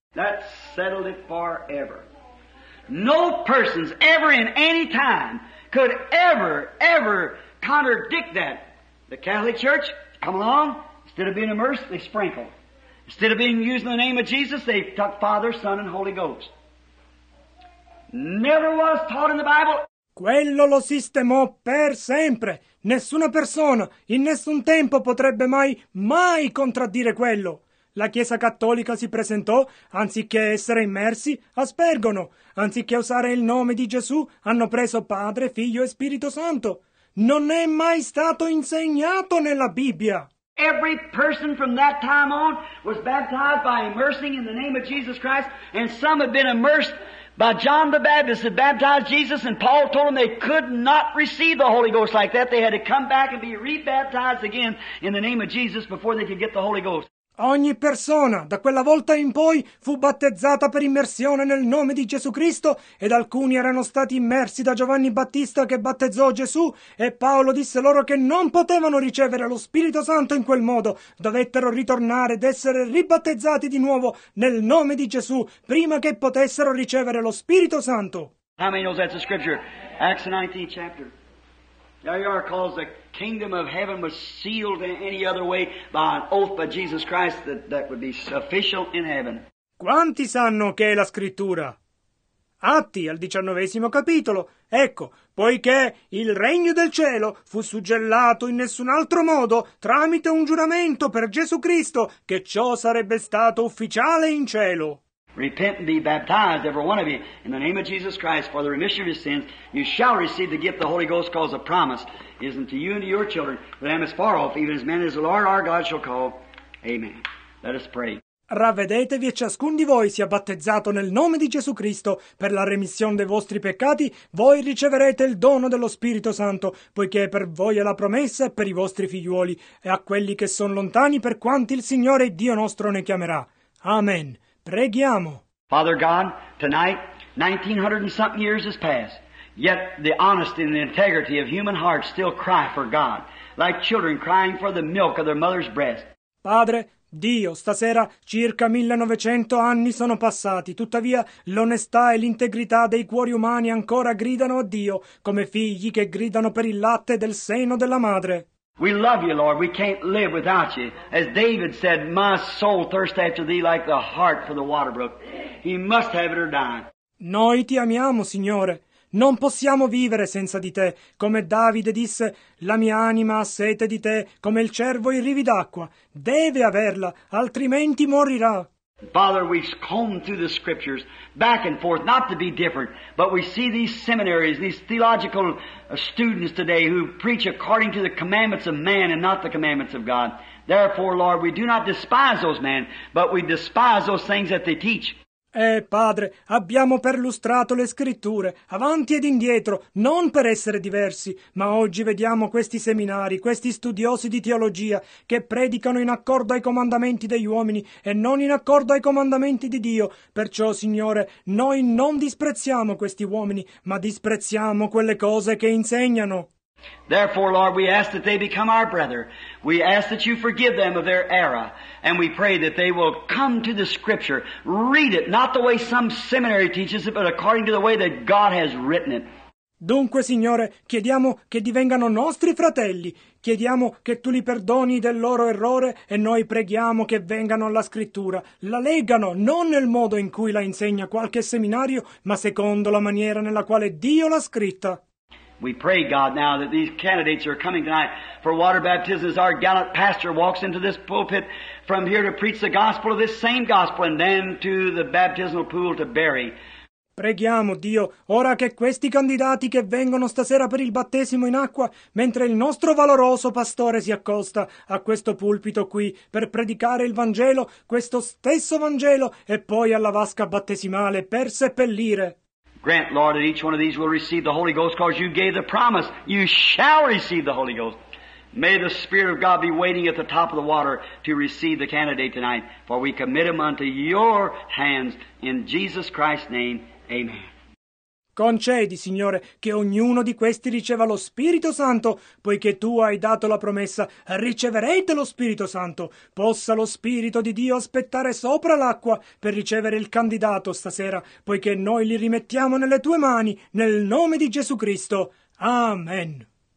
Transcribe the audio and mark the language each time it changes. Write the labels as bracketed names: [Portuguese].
[English] That settled it forever. No persons ever in any time could ever, ever contradict that. The Catholic Church, come along. Instead of being immersed, they sprinkle. Instead of being using the name of Jesus, they took Father, Son, and Holy Ghost. Never was taught in the Bible. [Italian] Quello lo sistemò per sempre. Nessuna persona, in nessun tempo, potrebbe mai contraddire quello. La Chiesa Cattolica si presentò, anziché essere immersi, aspergono. Anziché usare il nome di Gesù, hanno preso Padre, Figlio e Spirito Santo. Non è mai stato insegnato nella Bibbia. [English] Every person from that time on was baptized by immersing in the name of Jesus Christ, and some had been immersed by John the Baptist, had baptized Jesus, and Paul told them they could not receive the Holy Ghost like that. They had to come back and be rebaptized again in the name of Jesus before they could get the Holy Ghost. [Italian] Ogni persona, da quella volta in poi, fu battezzata per immersione nel nome di Gesù Cristo, ed alcuni erano stati immersi da Giovanni Battista che battezzò Gesù, e Paolo disse loro che non potevano ricevere lo Spirito Santo in quel modo, dovettero ritornare ed essere ribattezzati di nuovo nel nome di Gesù, prima che potessero ricevere lo Spirito Santo. [English] How many knows that's a scripture? Acts 19 chapter. There you are, calls the kingdom of heaven was sealed in any other way by an oath by Jesus Christ that would be official in heaven. [Italian] Quanti sanno che è la scrittura? Atti, al 19° capitolo. Ecco, poiché il regno del cielo fu suggellato in nessun altro modo tramite un giuramento per Gesù Cristo che ciò sarebbe stato ufficiale in cielo. [English] Repent and be baptized, every one of you, in the name of Jesus Christ for the remission of your sins. You shall receive the gift of the Holy Ghost, because the promise is unto you and to your children, that I am as far off, even as many as the Lord our God shall call. Amen. Let us pray. [Italian] Ravvedetevi e ciascun di voi sia battezzato nel nome di Gesù Cristo per la remissione dei vostri peccati. Voi riceverete il dono dello Spirito Santo, poiché per voi è la promessa e per i vostri figliuoli e a quelli che sono lontani, per quanti il Signore Dio nostro ne chiamerà. Amen. Preghiamo. [English] Father God, tonight, 1900 and something years has passed, yet the honesty and the integrity of human hearts still cry for God, like children crying for the milk of their mother's breast. [Italian] Padre, Dio, stasera circa 1900 anni sono passati, tuttavia l'onestà e l'integrità dei cuori umani ancora gridano a Dio, come figli che gridano per il latte del seno della madre. [English] We love you, Lord. We can't live without you. As David said, my soul thirsts after thee like the hart for the water brook. He must have it or die. [Italian] Noi ti amiamo, Signore. Non possiamo vivere senza di te. Come Davide disse, la mia anima ha sete di te, come il cervo i rivi d'acqua. Deve averla, altrimenti morirà. [English] Father, we've combed through the scriptures back and forth, not to be different, but we see these seminaries, these theological students today who preach according to the commandments of man and not the commandments of God. Therefore, Lord, we do not despise those men, but we despise those things that they teach. [Italian] Padre, abbiamo perlustrato le scritture, avanti ed indietro, non per essere diversi, ma oggi vediamo questi seminari, questi studiosi di teologia, che predicano in accordo ai comandamenti degli uomini e non in accordo ai comandamenti di Dio. Perciò, Signore, noi non disprezziamo questi uomini, ma disprezziamo quelle cose che insegnano. [English] Therefore, Lord, we ask that they become our brother. We ask that you forgive them of their error. And we pray that they will come to the scripture, read it, not the way some seminary teaches it, but according to the way that God has written it. [Italian] Dunque, Signore, chiediamo che divengano nostri fratelli. Chiediamo che tu li perdoni del loro errore e noi preghiamo che vengano alla scrittura. La leggano non nel modo in cui la insegna qualche seminario, ma secondo la maniera nella quale Dio l'ha scritta. [English] We pray, God, now that these candidates are coming tonight for water baptism as our gallant pastor walks into this pulpit from here to preach the gospel of this same gospel and then to the baptismal pool to bury. [Italian] Preghiamo, Dio, ora che questi candidati che vengono stasera per il battesimo in acqua, mentre il nostro valoroso pastore si accosta a questo pulpito qui per predicare il Vangelo, questo stesso Vangelo, e poi alla vasca battesimale per seppellire. [English] Grant, Lord, that each one of these will receive the Holy Ghost, because you gave the promise, you shall receive the Holy Ghost. May the Spirit of God be waiting at the top of the water to receive the candidate tonight, for we commit him unto your hands, in Jesus Christ's name, amen. [Italian] Concedi, Signore, che ognuno di questi riceva lo Spirito Santo, poiché Tu hai dato la promessa, riceverete lo Spirito Santo. Possa lo Spirito di Dio aspettare sopra l'acqua per ricevere il candidato stasera, poiché noi li rimettiamo nelle Tue mani, nel nome di Gesù Cristo. Amen.